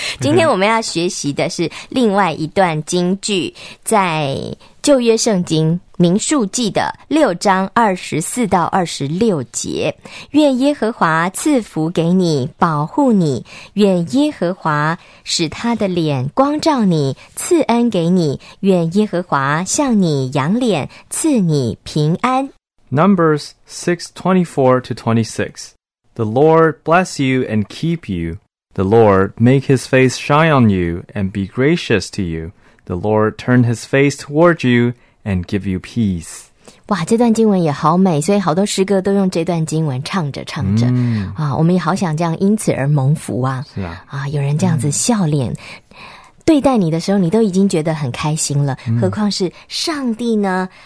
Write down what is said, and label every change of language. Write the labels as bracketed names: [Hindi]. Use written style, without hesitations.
[Chinese] 今天我们要学习的是另外一段金句在旧约圣经民数记的6:24-26，愿耶和华赐福给你，保护你；愿耶和华使他的脸光照你，赐恩给你；愿耶和华向你扬脸，赐你平安。 [English] Numbers 6:24-26 The Lord bless you and keep you. The Lord make his face shine on you and be gracious to you. The Lord turn his face toward you. And give you peace. [Chinese] 哇，这段经文也好美，所以好多诗歌都用这段经文唱着唱着、嗯、啊，我们也好想这样因此而蒙福啊！是啊，啊，有人这样子笑脸、嗯、对待你的时候，你都已经觉得很开心了，何况是上帝呢？